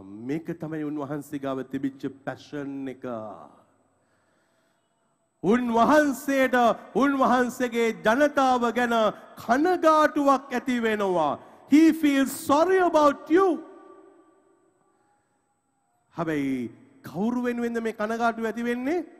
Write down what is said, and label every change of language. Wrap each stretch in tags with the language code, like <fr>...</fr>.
<si>මේක තමයි උන්වහන්සේ ගාව තිබිච්ච පැෂන් එක. උන්වහන්සේට උන්වහන්සේගේ ජනතාව ගැන කනගාටුවක් ඇති වෙනවා.</si> <en>He feels sorry about you.</en> <si>හැබැයි කවුරු වෙනුවෙන්ද මේ කනගාටුව ඇති වෙන්නේ?</si>